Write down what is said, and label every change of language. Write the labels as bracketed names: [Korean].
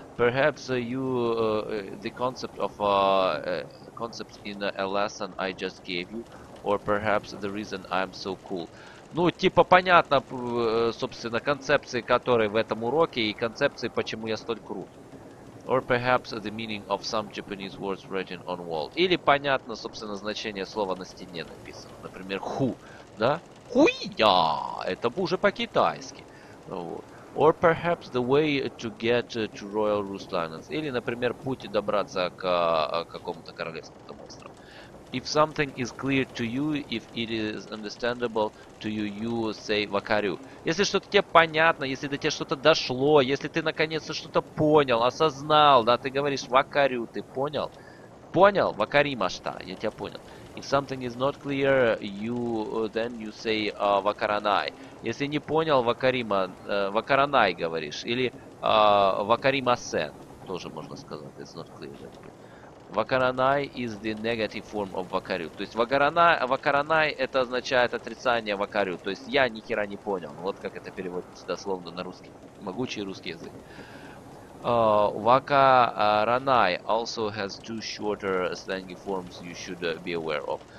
[English] Perhaps the concept of concept in a lesson I just gave you, or perhaps the reason I'm so cool. [Russian] Ну, типа, понятно, собственно, концепции, которые в этом уроке, и концепции, почему я столь крут. [English] Or perhaps the meaning of some Japanese words written on wall. [Russian] Или понятно, собственно, значение слова на стене написано. Например, ху, да? Хуя! Это уже по-китайски. [English] Or perhaps the way to get to Royal Ruslanans. [Russian] Или, например, путь добраться к какому-то королевскому острову. [English] If something is clear to you, if it is understandable to you, you say wakaru. [Russian] Если что-то тебе понятно, если до тебя что-то дошло, если ты наконец-то что-то понял, осознал, да, ты говоришь wakaru, ты понял? Понял? Вакаримашта, я тебя понял. [English] If something is not clear, you then you say wakaranai. [Russian] Если не понял, вакарима, вакаранай говоришь. Или вакаримасен, тоже можно сказать. [English] It's not clear. Вакаранай is the negative form of вакарю. [Russian] То есть вакаранай это означает отрицание вакарю. То есть я нихера не понял. Вот как это переводится дословно на русский. Могучий русский язык. [English] Wakaranai also has two shorter slangy forms you should be aware of.